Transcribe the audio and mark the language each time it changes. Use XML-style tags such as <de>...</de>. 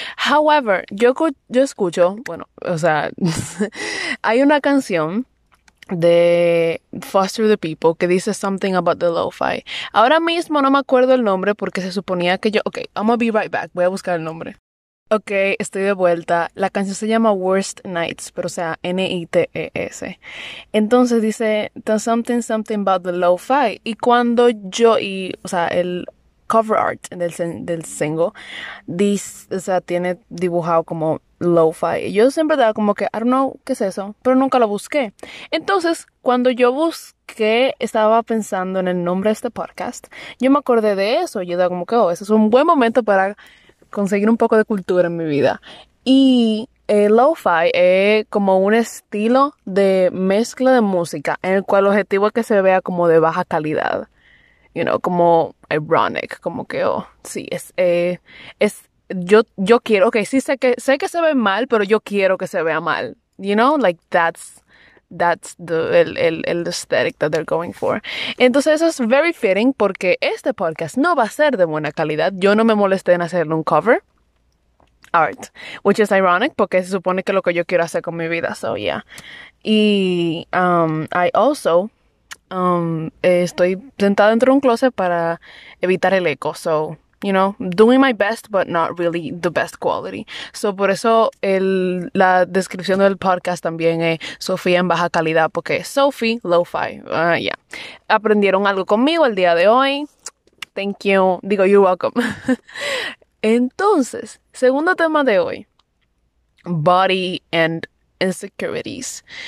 <es>However, yo escucho, bueno, o sea, hay una canción de Foster the People que dice</es> <en>something about the lo-fi.</en> <es>Ahora mismo no me acuerdo el nombre porque se suponía que yo.</es> <en>Ok, I'm gonna be right back.</en> <es>Voy a buscar el nombre. Ok, estoy de vuelta. La canción se llama Worst Nights, pero o sea, Nites. Entonces dice,</es> <en>there's something, something about the lo-fi.</en> <es>Y cuando yo, y, o sea, el cover art del single, dice, o sea, tiene dibujado como lo-fi. Y yo siempre estaba como que,</es> <en>I don't know,</en> <es>¿qué es eso? Pero nunca lo busqué. Entonces, cuando yo busqué, estaba pensando en el nombre de este podcast, yo me acordé de eso. Yo estaba como que, oh, ese es un buen momento para conseguir un poco de cultura en mi vida. Y lo-fi es como un estilo de mezcla de música en el cual el objetivo es que se vea como de baja calidad.</es> <en>You know,</en> <es>como ironic, como que, oh, sí, es yo quiero, ok, sí sé que se ve mal, pero yo quiero que se vea mal.</es> <en>You know, like that's el aesthetic that they're going for.</en> <es>Entonces eso es</es> <en>very fitting</en> <es>porque este podcast no va a ser de buena calidad. Yo no me molesté en hacerle un cover art,</es> <en>which is ironic</en> <es>porque se supone que es lo que yo quiero hacer con mi vida.</es> <en>So yeah.</en> <es>Y</es> <en>I also</en> <es>estoy sentada dentro de un closet para evitar el eco.</es> <en>So you know, doing my best, but not really the best quality.</en> <es>So, por eso la descripción del podcast también es Sofía en baja calidad, porque Sophie Lo-Fi. Ya.</es> <en>Yeah.</en> <es>Aprendieron algo conmigo el día de hoy.</es> <en>Thank you.</en> <es>Digo,</es> <en>you're welcome.</en> <es>Entonces, segundo tema de hoy: body and insecurities.</es>